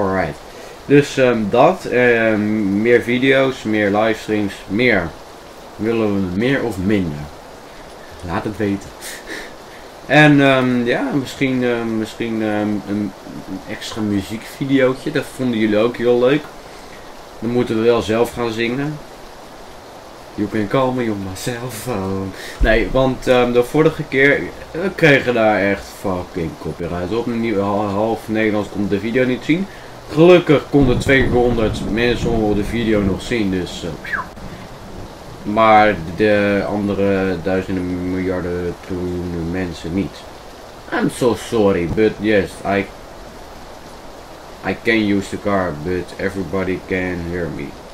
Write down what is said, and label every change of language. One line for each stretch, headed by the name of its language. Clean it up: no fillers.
Dutch: Alright. Dus dat, meer video's, meer livestreams, meer. Willen we meer of minder? Laat het weten. En misschien een extra muziekvideootje, dat vonden jullie ook heel leuk. Dan moeten we wel zelf gaan zingen.
English: You can call me on my cell phone.
Dutch: Nee, want de vorige keer kregen we daar echt fucking copyright op. Half Nederlands kon de video niet zien. Gelukkig konden 200 mensen de video nog zien. Dus, maar de andere duizenden miljarden toen mensen niet.
English: I'm so sorry, but yes, I can use the car, but everybody can hear me.